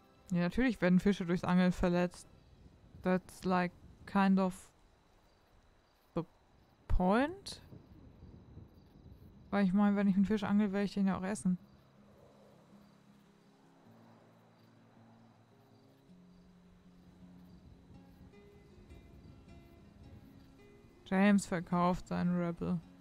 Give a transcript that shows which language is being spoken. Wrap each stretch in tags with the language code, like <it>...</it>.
<de>Ja, natürlich werden Fische durchs Angeln verletzt.</de> <en>That's like kind of the point.</en> <de>Weil ich meine, wenn ich einen Fisch angel, werde ich den ja auch essen. James verkauft seinen Rebel.</de>